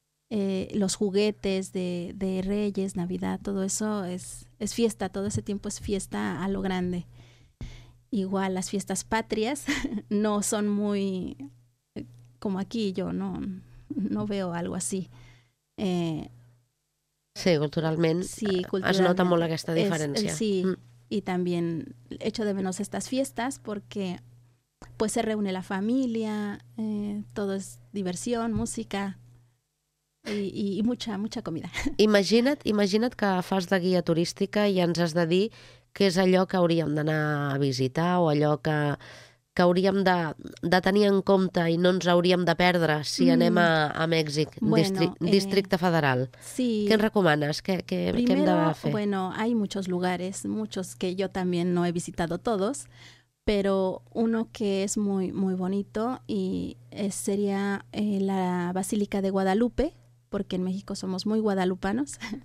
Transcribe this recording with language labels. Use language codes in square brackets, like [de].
[es] Los juguetes de Reyes, Navidad, todo eso es fiesta. Todo ese tiempo es fiesta a lo grande. Igual las fiestas patrias no son muy como aquí. Yo no veo algo así. [ca] Culturalment es nota molt aquesta diferència. [es] Y también echo de menos estas fiestas porque pues se reúne la familia, todo es diversión, música y mucha comida. [ca] Imagina't que fas de guia turística i ens has de dir què és allò que hauríem d'anar a visitar o allò que hauríem de tenir en compte i no ens hauríem de perdre si anem a Mèxic, Districte Federal. Sí. Què ens recomanes? Què hem de fer? [es] Bueno, hay muchos lugares, muchos que yo también no he visitado todos, pero uno que es muy, muy bonito y sería la Basílica de Guadalupe, porque en México somos muy guadalupanos.